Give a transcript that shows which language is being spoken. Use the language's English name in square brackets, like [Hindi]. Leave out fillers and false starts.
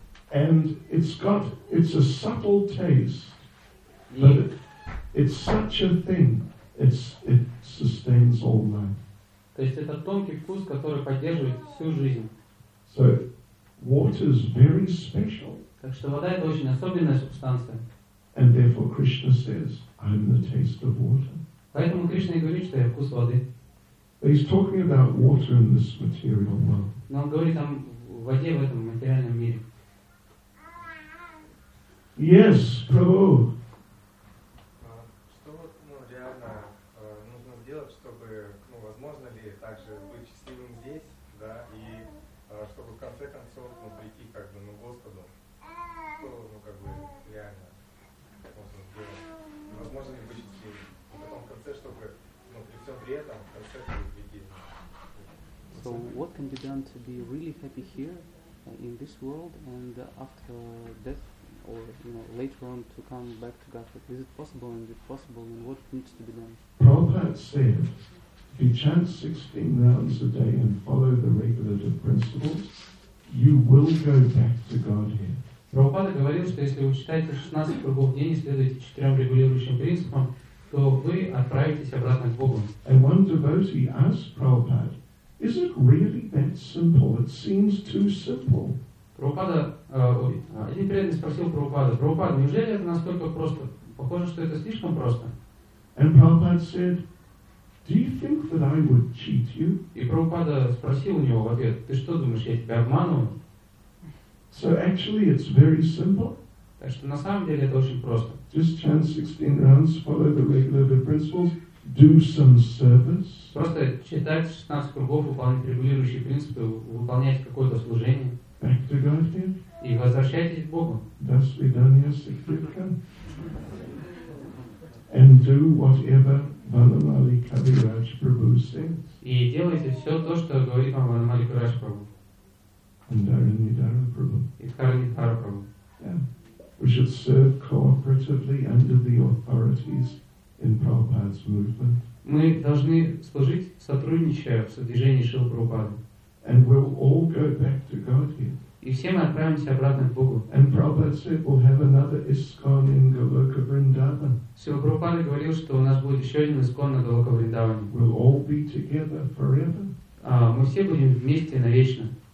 [English] And it's a subtle taste. But it's such a thing, it sustains all life. [Russian] То есть это тонкий вкус, который поддерживает всю жизнь. [English] So, water is very special. [Russian] Так что вода это очень особенная субстанция. [English] And therefore Krishna says, I'm the taste of water. [Russian] Поэтому Кришна и говорит, что я вкус воды. [English] But he's talking about water in this material world. [Russian] Но он говорит о воде в этом материальном мире. [English] Yes, Prabhu. [Russian] Что вот, реально нужно сделать, чтобы, возможно ли также быть счастливым здесь, да, и в конце концов, ну, прийти как бы, ну, Господу, то, ну, как бы, реально, можно сделать. Возможно, не будет силы. И потом в конце, чтобы, ну, при всем при этом, в конце будет прийти. [English] So what can be done to be really happy here in this world and after death or you know later on to come back to Godhead? Is it possible? And if possible, then what needs to be done? Prabhupada said, if you chant 16 rounds a day and follow the regulative principles, you will go back to Godhead. [Russian] Prabhupada говорил, что если вы читаете 16 кругов в день и следуете четырем регулирующим принципам, то вы отправитесь обратно к Богу. [English] And one devotee asked Prabhupada, is it really that simple? It seems too simple. [Russian] Один преданный спросил Прабхупада, Прабхупада, неужели это настолько просто? Похоже, что это слишком просто. [English] And Prabhupada said, do you think that I would cheat you? [Russian] И Прабхупада спросил у него в ответ, ты что думаешь, я тебя обманываю? [English] So actually it's very simple. [Russian] Так что на самом деле это очень просто. [English] Just chant 16 rounds, follow the regulative principles, do some service. [Russian] Просто читать 16 кругов, выполнять регулирующие принципы, выполнять какое-то служение. [English] Back to Godhead. [Russian] И возвращайтесь к Богу. До свидания, Сикритка. [English] And do whatever Ванамали Кавирадж Прабху says. [Russian] И делайте все то, что говорит вам Ванамали Кавирадж Прабху. [English] And Дхаранидхара Прабху. [Russian] И Дхаранидхара Прабху. [English] Yeah. We should serve cooperatively under the authorities in Prabhupada's movement. [Russian] Мы должны служить, сотрудничая в содвижении Шрилы Прабхупады. [English] And we'll all go back to Godhead. [Russian] И все мы отправимся обратно к Богу. [English] And Prabhupada said we'll have another ISKCON in Goloka Vrindavan. [Russian] Шрила Прабхупада говорил, что у нас будет еще один ISKCON на Голока Вриндаване. [English] We'll all be together forever. [Russian] Мы все будем вместе навечно.